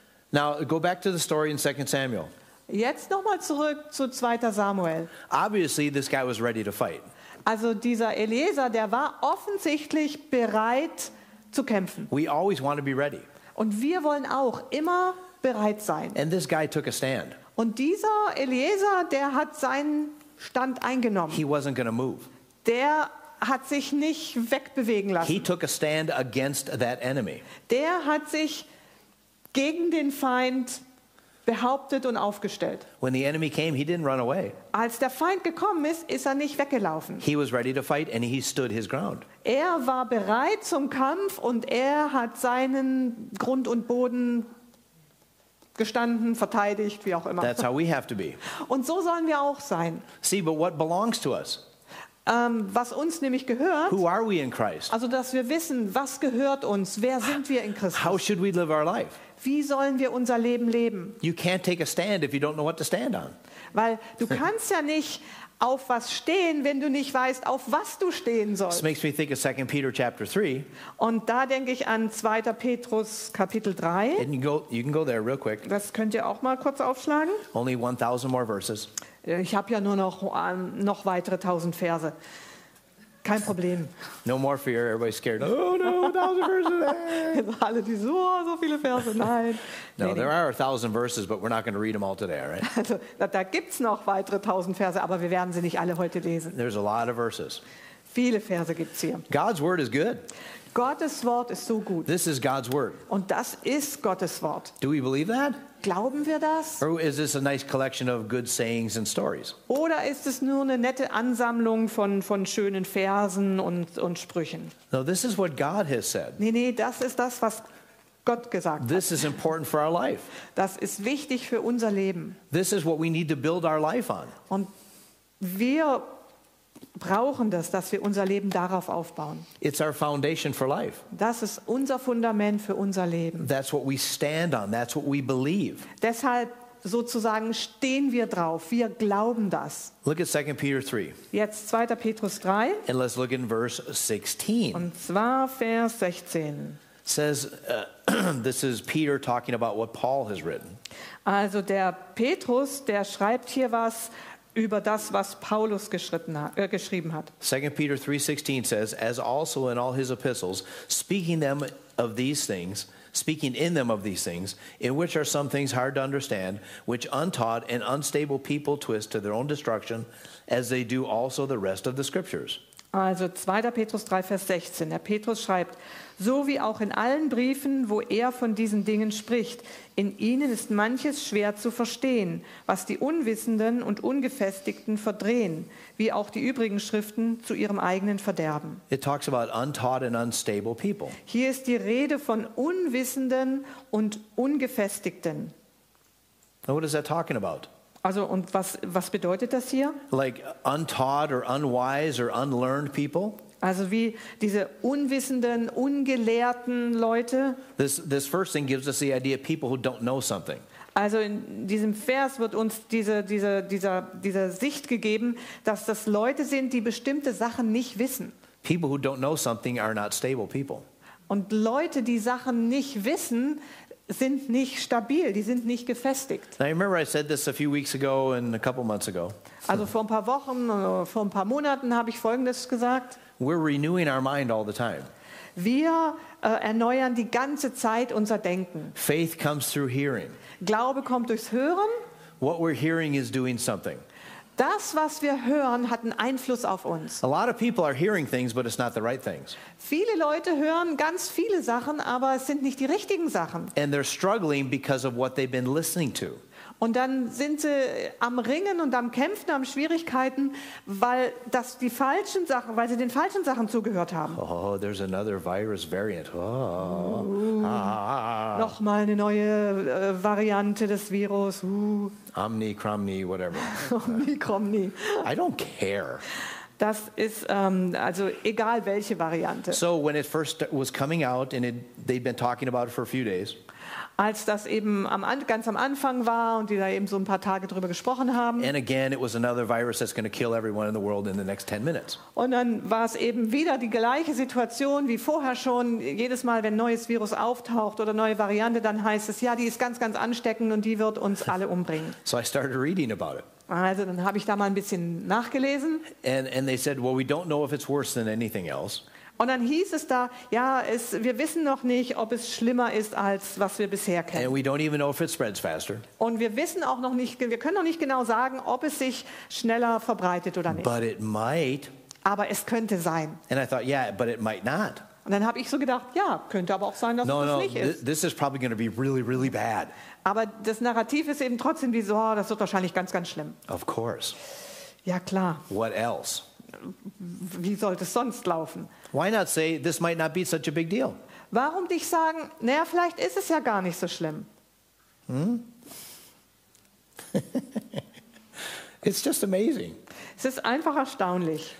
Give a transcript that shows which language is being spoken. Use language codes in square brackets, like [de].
[en] Now go back to the story in 2 Samuel. [de] Jetzt nochmal zurück zu 2. Samuel. [en] Obviously this guy was ready to fight. [de] Also dieser Eliezer, der war offensichtlich bereit zu kämpfen. [en] We always want to be ready. [de] Und wir wollen auch immer bereit sein. [en] And this guy took a stand. [de] Und dieser Eliezer, der hat seinen Stand eingenommen. [en] He wasn't going to move. [de] Der hat sich nicht wegbewegen lassen. [en] He took a stand against that enemy. [de] Der hat sich gegen den Feind behauptet und aufgestellt. [en] When the enemy came, he didn't run away. [de] Als der Feind gekommen ist, ist er nicht weggelaufen. [en] He was ready to fight and he stood his ground. [de] Er war bereit zum Kampf und er hat seinen Grund und Boden gestanden, verteidigt, wie auch immer. [en] That's how we have to be. [de] Und so sollen wir auch sein. [en] See, but what belongs to us? [de] Was uns nämlich gehört. [en] Who are we in Christ? [de] Also dass wir wissen, was gehört uns, wer sind wir in Christus? [en] How should we live our life? [de] Wie sollen wir unser Leben leben? [en] You can't take a stand if you don't know what to stand on. [de] Weil du kannst ja nicht auf was stehen, wenn du nicht weißt, auf was du stehen sollst. [en] This makes me think of 2 Peter chapter 3. [de] Und da denke ich an 2. Petrus Kapitel 3. [en] You can go there real quick. [de] Das könnt ihr auch mal kurz aufschlagen. [en] Only 1000 more verses. [de] Ich habe ja nur noch weitere 1000 Verse. Kein Problem. [en] No more fear, everybody's scared. Oh no, 1000 verses. [de] Jetzt alle die so, so viele Verse. Nein. [en] No, nee, there are 1000 verses, but we're not going to read them all today, right? [de] Also, da gibt's noch weitere 1000 Verse, aber wir werden sie nicht alle heute lesen. [en] There's a lot of verses. [de] Viele Verse gibt's hier. [en] God's word is good. [de] Gottes Wort ist so gut. [en] This is God's word. [de] Und das ist Gottes Wort. [en] Do we believe that? [de] Glauben wir das? [en] Or is this a nice collection of good sayings and stories? [de] Oder ist es nur eine nette Ansammlung von schönen Versen und Sprüchen? [en] No, this is what God has said. [de] Nee, das ist das, was Gott gesagt hat. [en] This is important for our life. [de] Das ist wichtig für unser Leben. [en] This is what we need to build our life on. [de] Und wir brauchen das, dass wir unser Leben darauf aufbauen. [en] It's our foundation for life. [de] Das ist unser Fundament für unser Leben. [en] That's what we stand on. That's what we believe. [de] Deshalb sozusagen stehen wir drauf. Wir glauben das. [en] Look at 2 Peter 3. [de] Jetzt 2. Petrus 3. [en] And let's look in verse 16. [de] Und zwar Vers 16. [en] Says this is Peter talking about what Paul has written. [de] Also der Petrus, der schreibt hier was über das, was Paulus geschrieben hat. [en] 2 Peter 3:16 says, as also in all his epistles, speaking in them of these things, in which are some things hard to understand, which untaught and unstable people twist to their own destruction, as they do also the rest of the scriptures. [de] Also 2. Petrus 3, Vers 16. Der Petrus schreibt, so wie auch in allen Briefen, wo er von diesen Dingen spricht, in ihnen ist manches schwer zu verstehen, was die Unwissenden und Ungefestigten verdrehen, wie auch die übrigen Schriften zu ihrem eigenen Verderben. [en] It talks about untaught and unstable people. [de] Hier ist die Rede von Unwissenden und Ungefestigten. [en] Now what is that talking about? [de] Also, und was bedeutet das hier? [en] Like untaught or unwise or unlearned people? [de] Also wie diese unwissenden, ungelehrten Leute. [en] This first thing gives us the idea of people who don't know something. [de] Also in diesem Vers wird uns diese Sicht gegeben, dass das Leute sind, die bestimmte Sachen nicht wissen. [en] People who don't know something are not stable people. [de] Und Leute, die Sachen nicht wissen, sind nicht stabil, die sind nicht gefestigt. [en] Now, I remember I said this a few weeks ago and a couple months ago. [de] Also vor ein paar Wochen oder vor ein paar Monaten habe ich Folgendes gesagt. [en] We're renewing our mind all the time. [de] Wir erneuern die ganze Zeit unser Denken. [en] Faith comes through hearing. [de] Glaube kommt durchs Hören. [en] What we're hearing is doing something. [de] Das, was wir hören, hat einen Einfluss auf uns. [en] A lot of people are hearing things, but it's not the right things. [de] Viele Leute hören ganz viele Sachen, aber es sind nicht die richtigen Sachen. [en] And they're struggling because of what they've been listening to. [de] Und dann sind sie am Ringen und am Kämpfen, am Schwierigkeiten, weil das die falschen Sachen, weil sie den falschen Sachen zugehört haben. [en] Oh, there's another virus variant. Oh. Ah. [de] noch mal eine neue Variante des Virus. [en] Omicromny, whatever. Omicromny. I don't care. [de] Das ist also egal welche Variante. [en] So when it first was coming out and they'd been talking about it for a few days. [de] Als das eben ganz am Anfang war und die da eben so ein paar Tage drüber gesprochen haben. [en] And again, it was another virus that's going to kill everyone in the world in the next 10 minutes. [de] Und dann war es eben wieder die gleiche Situation wie vorher schon. Jedes Mal, wenn neues Virus auftaucht oder neue Variante, dann heißt es, ja, die ist ganz, ganz ansteckend und die wird uns alle umbringen. [en] So I started reading about it. [de] Also dann habe ich da mal ein bisschen nachgelesen. [en] And they said, well, we don't know if it's worse than anything else. [de] Und dann hieß es da, ja, wir wissen noch nicht, ob es schlimmer ist, als was wir bisher kennen. [en] And we don't even know if it spreads faster. [de] Und wir wissen auch noch nicht, wir können noch nicht genau sagen, ob es sich schneller verbreitet oder nicht. [en] But it might. [de] Aber es könnte sein. [en] And I thought, yeah, but it might not. [de] Und dann habe ich so gedacht, ja, könnte aber auch sein, dass [en] no, [de] es [en] no, [de] nicht ist. [en] This is probably going to be really, really bad. [de] Aber das Narrativ ist eben trotzdem wie so, oh, das wird wahrscheinlich ganz, ganz schlimm. [en] Of course. [de] Ja, klar. [en] What else? [de] Wie sollte es sonst laufen? [en] Why not say this might not be such a big deal? [de] Warum dich sagen, na ja, vielleicht ist es ja gar nicht so schlimm. [en] It's just amazing. [de] Es ist einfach erstaunlich.